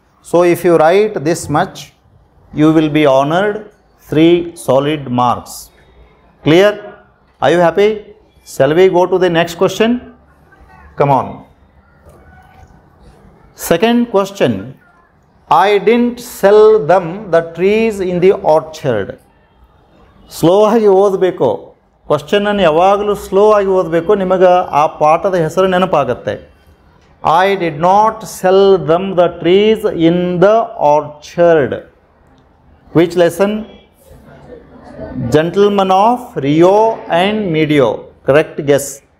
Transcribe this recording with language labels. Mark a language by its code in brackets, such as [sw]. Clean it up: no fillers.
[en] So if you write this much, you will be honoured 3 solid marks. Clear? Are you happy? Shall we go to the next question? Come on. Second question. I didn't sell them the trees in the orchard. [kn] Slow ಆಗಿ ಓದಬೇಕು ಕ್ವಶನನ್ನು. ಯಾವಾಗಲೂ slow ಆಗಿ ಓದಬೇಕು, ನಿಮಗೆ ಆ ಪಾಠದ ಹೆಸರು ನೆನಪಾಗತ್ತೆ. [en] I did not sell them the trees in the orchard. Which lesson? Gentleman of Rio and Medio. Correct guess.